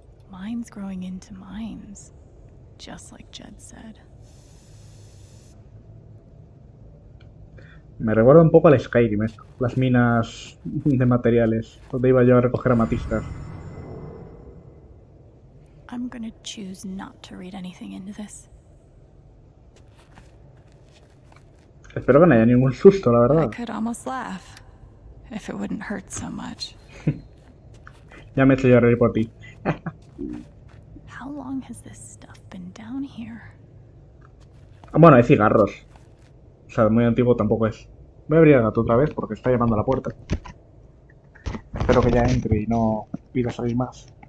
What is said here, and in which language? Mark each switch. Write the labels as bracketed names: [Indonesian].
[English] Mines growing into mines, just like Jed said. [Spanish] Me recuerda un poco al Skyrim esto, las minas de materiales, donde iba yo a recoger amatistas. [English] I'm gonna choose not to read anything into this. [Spanish] Espero que no haya ningún susto, la [English] I [Spanish] verdad. [English] could almost laugh if it wouldn't hurt so much. [Spanish] Ya me he hecho yo reír por ti. [English] How long has this stuff been down here? [Spanish] Bueno, hay cigarros. O sea, muy antiguo tampoco es. Voy a abrir el gato otra vez porque está llamando a la puerta. Espero que ya entre y no pida salir más.